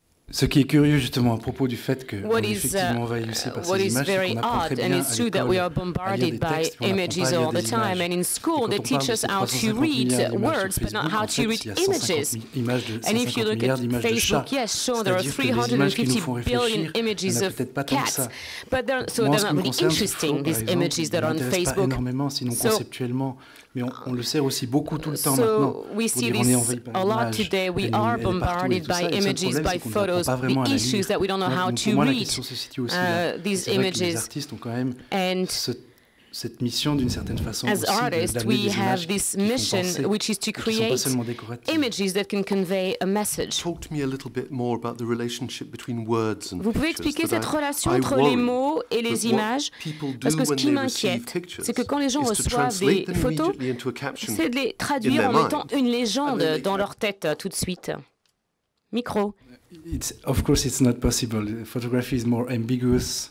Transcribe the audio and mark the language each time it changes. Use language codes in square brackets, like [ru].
[fr] Ce qui est curieux justement à propos du fait que on est effectivement envahi aussi par ces images, c'est qu'on apprend très bien à l'école, [en] that we are bombarded by images all the time and in school they teach us how to read words but not how to read images. And if you look at Facebook, yes, sure, there are 350 billion images of cats, but they're so they're not really interesting, these images that are on Facebook. [fr] Énormément sinon conceptuellement. Mais on le sait aussi beaucoup tout le temps maintenant. [en] So we see this a lot today. We are bombarded by images, by photos. The issue is that we don't know how to read these images. [fr] Les artistes ont quand même cette mission d'une certaine façon aussi d'amener des images qui font penser, qui sont pas seulement décoratives. [en] Images that can convey a message. Talk to me a little bit more about the relationship between words and [fr] vous pouvez expliquer cette relation entre les mots et les images, parce que ce qui m'inquiète, c'est que quand les gens reçoivent des photos, c'est de les traduire en mettant une légende dans leur tête tout de suite. Micro. [en] It's, of course, it's not possible. The photography is more ambiguous.